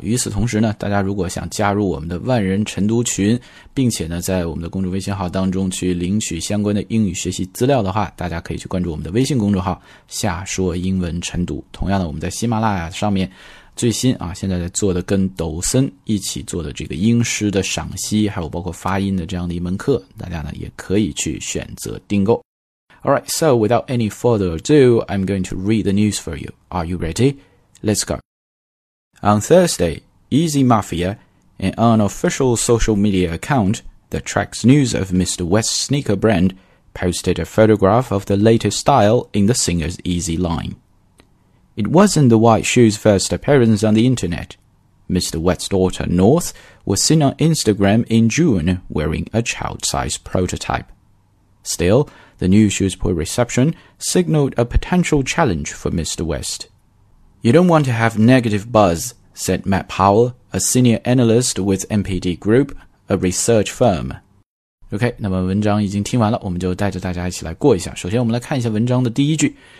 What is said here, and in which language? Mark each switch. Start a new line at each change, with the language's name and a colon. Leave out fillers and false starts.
Chinese: 与此同时呢，大家如果想加入我们的万人晨读群，并且呢在我们的公众微信号当中去领取相关的英语学习资料的话，大家可以去关注我们的微信公众号夏说英文晨读。同样的，我们在喜马拉雅上面最新啊，现在在做的跟抖森一起做的这个英诗的赏析还有包括发音的这样的一门课，大家呢也可以去选择订购。
English: Alright, so without any further ado, I'm going to read the news for you. Are you ready? Let's go. On Thursday, Easy Mafia, an unofficial social media account that tracks news of Mr. West's sneaker brand, posted a photograph of the latest style in the singer's Easy Line. It wasn't the white shoe's first appearance on the internet. Mr. West's daughter, North, was seen on Instagram in June wearing a child-sized prototype. Still,The new shoe's poor reception signaled a potential challenge for Mr. West. You don't want to have negative buzz, said Matt Powell, a senior analyst with MPD Group, a research firm.
Chinese: OK, 那么文章已经听完了，我们就带着大家一起来过一下。首先我们来看一下文章的第一句。